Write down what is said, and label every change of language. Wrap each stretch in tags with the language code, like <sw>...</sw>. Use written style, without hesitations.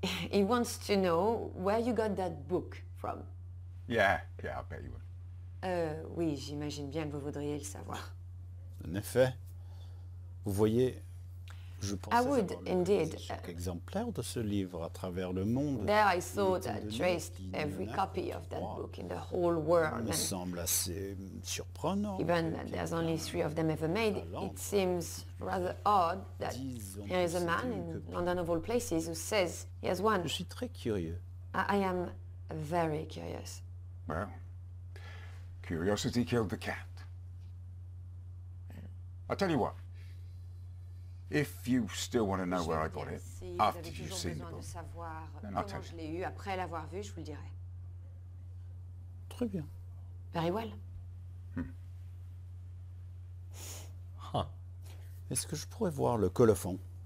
<en>He wants to know where you got that book from. Yeah, I bet you would.</en> <fr>Oui, j'imagine bien que vous voudriez le savoir. En effet, vous voyez, je pensais</fr> <en>I would,</en> <fr>avoir</fr> <en>indeed.</en> <fr>Chaque exemplaire de ce livre à travers le monde.</fr> <en>There I thought I traced every copy of that book in the whole world.</en> <fr>Il me semble assez surprenant.</fr> <en>Even that there's only three of them ever made, it seems rather odd that there is a man in London of all places who says he has one.</en> <fr>Je suis très curieux.</fr> <en>I am very curious. Well, curiosity killed the cat. I tell you what, if you still want to know where I got it, after you've seen the book, then I'll tell you.</en> <fr>Je l'ai eu après l'avoir vu, je vous le dirai. Très bien.</fr> <en>Very well.</en> <fr>Est-ce que je pourrais voir le colophon?</fr>